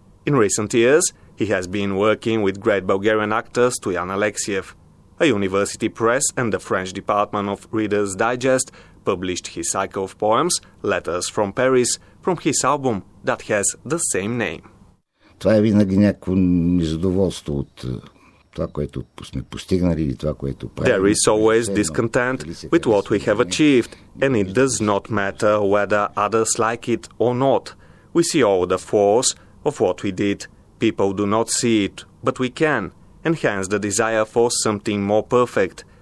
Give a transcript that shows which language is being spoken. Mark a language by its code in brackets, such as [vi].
[en] In recent years, he has been working with great Bulgarian actor Stoyan Alexiev. a university press and the French department of Reader's Digest published his cycle of poems, Letters from Paris, from his album that has the same name. [bg] Това е винаги някакво незадоволство от това, което сме постигнали или това, което правим. [en] There is always discontent with what we have achieved, and it does not matter whether others like it or not. We see all the flaws of what we did. People do not see it, but we can, and hence the desire for something more perfect.